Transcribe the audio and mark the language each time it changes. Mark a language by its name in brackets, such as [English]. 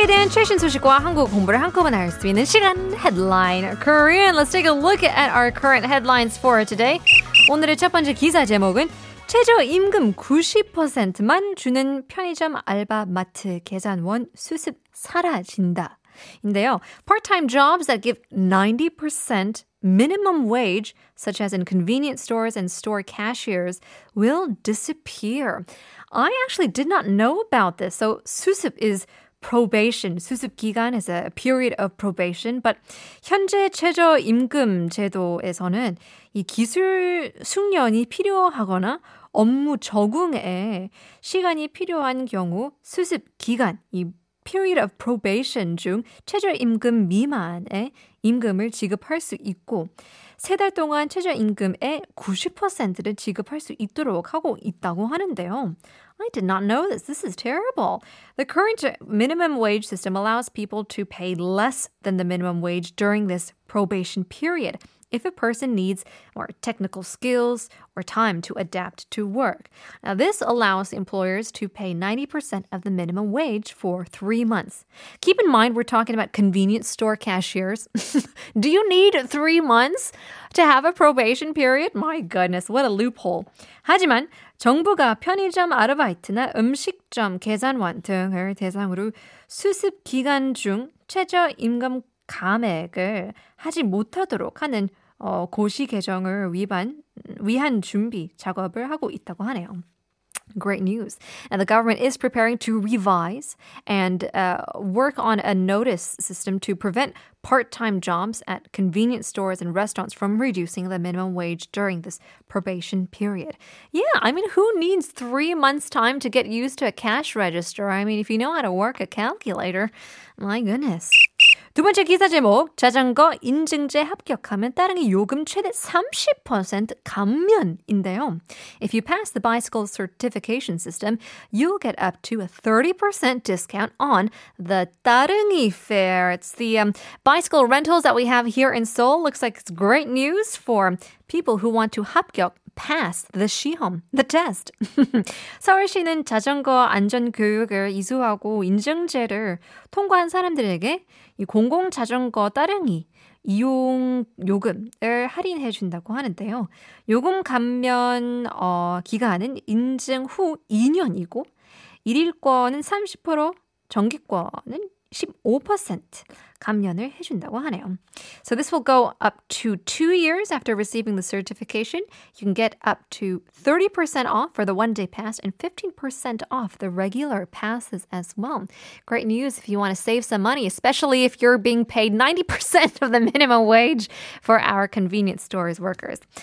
[Korean] 최신 소식과 한국 공부를 한꺼번에 할 수 있는 시간, Headline Korean. [English] Let's take a look at our current headlines for today. [Korean] 오늘의 첫 번째 기사 제목은 최저임금 90%만 주는 편의점 알바 마트 계산원 수습 사라진다. 인데요. [English] Part-time jobs that give 90% minimum wage, such as in convenience stores and store cashiers, will disappear. I actually did not know about this. So 수습 is probation. 수습 기간 is a period of probation. [Korean] But 현재 최저임금 제도에서는 이 기술 숙련이 필요하거나 업무 적응에 시간이 필요한 경우 수습 기간, 이 [English] period of probation [Korean] 중 최저임금 미만의 임금을 지급할 수 있고 세 달 동안 최저임금의 90%를 지급할 수 있도록 하고 있다고 하는데요. [English] I did not know this. This is terrible. The current minimum wage system allows people to pay less than the minimum wage during this probation period if a person needs more technical skills or time to adapt to work. Now, this allows employers to pay 90% of the minimum wage for 3 months. Keep in mind, we're talking about convenience store cashiers. Do you need 3 months to have a probation period? My goodness, what a loophole. [Korean] 하지만 정부가 편의점 아르바이트나 음식점 계산원 등을 대상으로 수습 기간 중 최저임금 감액을 하지 못하도록 하는 고시 개정을 위한 준비 작업을 하고 있다고 하네요. [English] Great news. And the government is preparing to revise and work on a notice system to prevent part-time jobs at convenience stores and restaurants from reducing the minimum wage during this probation period. Yeah, I mean, who needs 3 months' time to get used to a cash register? I mean, if you know how to work a calculator, my goodness. [Korean] 두 번째 기사 제목, 자전거 인증제 합격하면 따릉이 요금 최대 30% 감면인데요. [English] If you pass the bicycle certification system, you'll get up to a 30% discount on the 따릉이 fare. It's the bicycle rentals that we have here in Seoul. Looks like it's great news for people who want to 합격. Pass the 시험, the test. [Korean] 서울시는 자전거 안전 교육을 이수하고 인증제를 통과한 사람들에게 이 공공 자전거 따릉이 이용 요금을 할인해 준다고 하는데요. 요금 감면 기간은 인증 후 2년이고 일일권은 30%, 정기권은 15% 감면을 해준다고 하네요. [English] So this will go up to 2 years after receiving the certification. You can get up to 30% off for the one-day pass and 15% off the regular passes as well. Great news if you want to save some money, especially if you're being paid 90% of the minimum wage for our convenience stores workers.